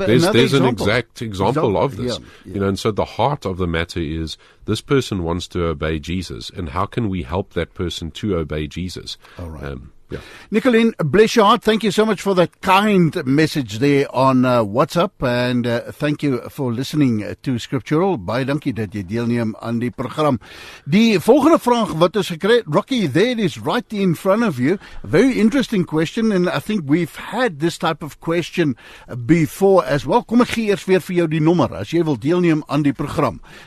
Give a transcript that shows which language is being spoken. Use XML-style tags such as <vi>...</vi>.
<en>another example of this. Yeah. You know, and so the heart of the matter is, this person wants to obey Jesus, and how can we help that person to obey Jesus? All right. Yeah. Nicolene, bless your heart. Thank you so much for that kind message there on WhatsApp. And thank you for listening to Scriptural.</en> <af>Baie dankie dat jy deelneem aan die program. Die volgende vraag wat ons gekry het,</af> <en>Rocky, there it is right in front of you. A very interesting question. And I think we've had this type of question before as well.</en> <af>Kom ek gee eers weer vir jou die nommer as jy wil deelneem aan die program.</af>